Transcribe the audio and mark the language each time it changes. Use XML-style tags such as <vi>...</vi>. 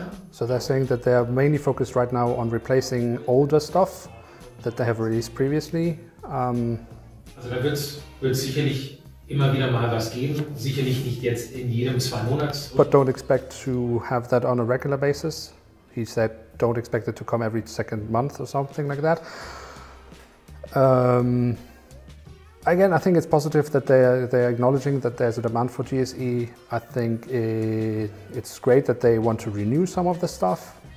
<en>So they're saying that they're mainly focused right now on replacing older stuff that they have released previously.</en> <de>Also da wird sicherlich immer wieder mal was geben, sicherlich nicht jetzt in jedem zwei Monats.</de> <en>But don't expect to have that on a regular basis. He said don't expect it to come every second month or something like that. Again, I think it's positive that they're acknowledging that there's a demand for GSE. I think it's great that they want to renew some of the stuff.</en>